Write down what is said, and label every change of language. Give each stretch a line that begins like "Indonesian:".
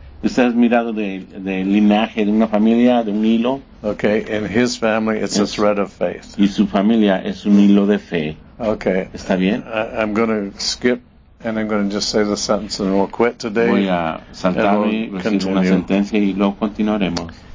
Spanish: ¿Usted ha mirado de linaje de una familia, de un hilo?
English: Okay, in his family, it's a thread of faith.
Spanish: Y su familia es un hilo de fe.
English: Okay.
Spanish: ¿Está bien?
English: I'm going to skip. And I'm going to just say the sentence and we'll quit today.
Spanish: Voy a saltar y recibir una sentencia y luego continuaremos.